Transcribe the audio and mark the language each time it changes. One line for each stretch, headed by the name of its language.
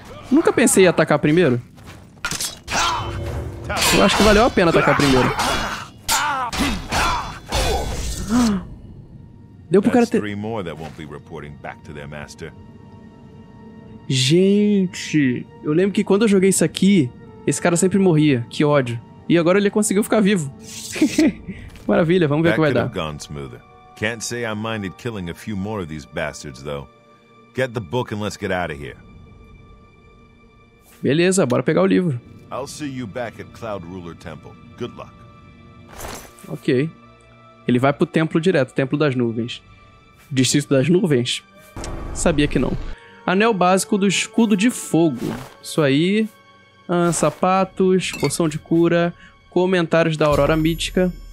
Portuguese: Nunca pensei em atacar primeiro. Eu acho que valeu a pena atacar primeiro. Deu pro cara ter...
English: Three more that won't be reporting back to their master.
Portuguese: Gente, eu lembro que quando eu joguei isso aqui, esse cara sempre morria. Que ódio. E agora ele conseguiu ficar vivo. Maravilha, vamos ver o que vai dar.
English: Gone smoother. Can't say I minded killing a few more of these bastards, though. Get the book and let's get out of here.
Portuguese: Beleza, bora pegar o livro.
English: I'll see you back at Cloud Ruler Temple. Good luck. Ok.
Portuguese: Ele vai pro templo direto, Templo das Nuvens. Distrito das Nuvens? Sabia que não. Anel básico do Escudo de Fogo. Isso aí. Sapatos, poção de cura, comentários da Aurora Mítica.